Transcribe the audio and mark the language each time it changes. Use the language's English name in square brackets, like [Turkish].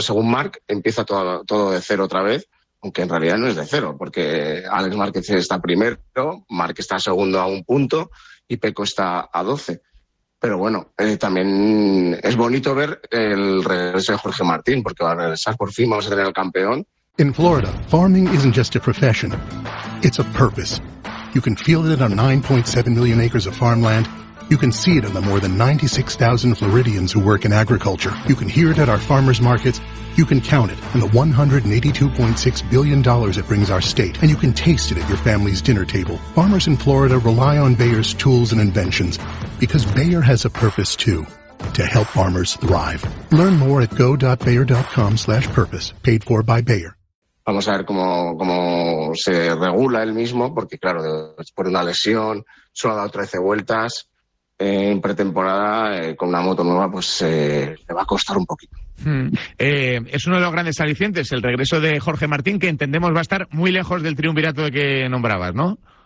[Spanish] Según Marc, empieza todo de cero otra vez, aunque en realidad no es de cero, porque Álex Márquez está primero, Marc está segundo a un punto y Peco está a 12. Pero bueno, también es bonito ver el regreso de Jorge Martín, porque va a regresar por fin, vamos a tener al campeón. [English] In Florida, farming isn't just a profession, it's a purpose. You can feel it in our 9.7 million acres of farmland. You can see it in the more than 96,000 Floridians who work in agriculture. You can hear it at our farmers markets. You can count it in the $182.6 billion it brings our state. And you can taste it at your family's dinner table. Farmers in Florida rely on Bayer's tools and inventions because Bayer has a purpose too, to help farmers thrive. Learn more at go.bayer.com/purpose, paid for by Bayer. [Spanish] Vamos a ver cómo se regula él mismo, porque claro, después de una lesión, solo ha dado 13 vueltas. En pretemporada, con una moto nueva, pues le va a costar un poquito. Es uno de los grandes alicientes, el regreso de Jorge Martín, que entendemos va a estar muy lejos del triunvirato de que nombrabas, ¿no?